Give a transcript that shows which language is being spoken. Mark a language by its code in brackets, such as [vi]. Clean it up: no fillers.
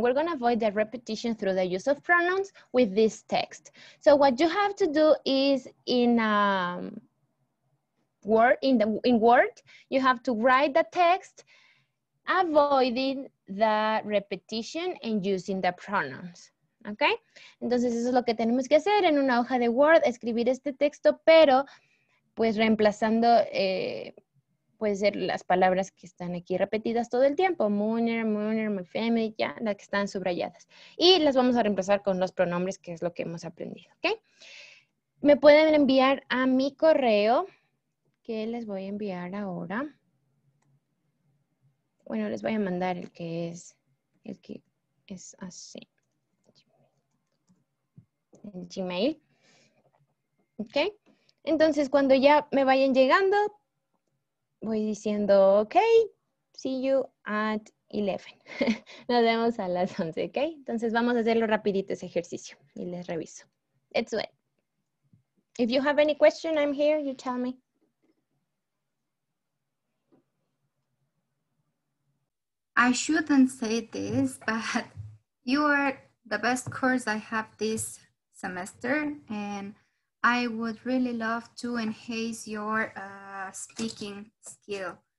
[en] We're going to avoid the repetition through the use of pronouns with this text. So what you have to do is in Word, you have to write the text, avoiding the repetition and using the pronouns. [es] ¿Ok? Entonces eso es lo que tenemos que hacer en una hoja de Word, escribir este texto, pero pues reemplazando, puede ser las palabras que están aquí repetidas todo el tiempo, Mooner, Mooner, my family, ya, las que están subrayadas. Y las vamos a reemplazar con los pronombres, que es lo que hemos aprendido, ¿ok? Me pueden enviar a mi correo, que les voy a enviar ahora. Bueno, les voy a mandar el que es así. Gmail. Ok. Entonces, cuando ya me vayan llegando, voy diciendo, ok, [en] see you at 11. [es] Nos vemos a las 11, ok. Entonces, vamos a hacerlo rapidito ese ejercicio y les reviso. [en] Let's do it. If you have any question, I'm here, you tell me. I shouldn't say this, but you are the best course I have this semester, and I would really love to enhance your speaking skill.